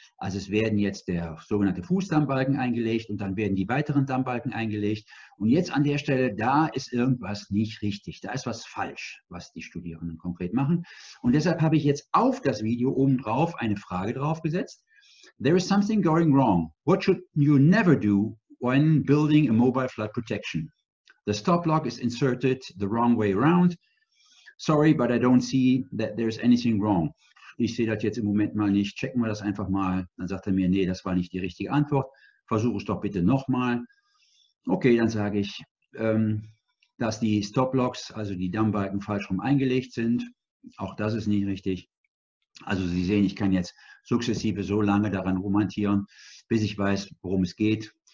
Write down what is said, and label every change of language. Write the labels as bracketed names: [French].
[German] Also es werden jetzt der sogenannte Fußdammbalken eingelegt und dann werden die weiteren Dammbalken eingelegt. Und jetzt an der Stelle, da ist irgendwas nicht richtig. Da ist was falsch, was die Studierenden konkret machen. Und deshalb habe ich jetzt auf das Video obendrauf eine Frage draufgesetzt. [English] There is something going wrong. What should you never do when building a mobile flood protection? The stop block is inserted the wrong way around. Sorry, but I don't see that there's anything wrong. [German] Ich sehe das jetzt im Moment mal nicht. Checken wir das einfach mal. Dann sagt er mir, nee, das war nicht die richtige Antwort. Versuche es doch bitte nochmal. Okay, dann sage ich, dass die Stoplocks, also die Dammbalken, falsch rum eingelegt sind. Auch das ist nicht richtig. Also Sie sehen, ich kann jetzt sukzessive so lange daran rumhantieren, bis ich weiß, worum es geht.